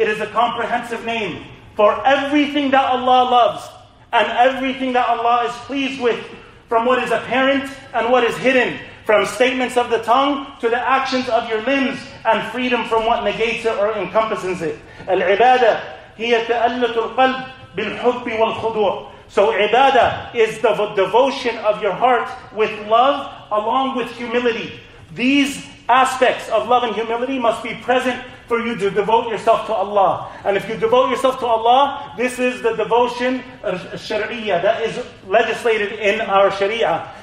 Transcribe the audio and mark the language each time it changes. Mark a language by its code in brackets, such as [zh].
[en] It is a comprehensive name for everything that Allah loves and everything that Allah is pleased with, from what is apparent and what is hidden, from statements of the tongue to the actions of your limbs, and freedom from what negates it or encompasses it. [ar] Al-ibadah هي تألت القلب بالحب والخضوع. [en] So ibadah is the devotion of your heart with love along with humility. These aspects of love and humility must be present for you to devote yourself to Allah. And if you devote yourself to Allah, this is the devotion sharia that is legislated in our sharia.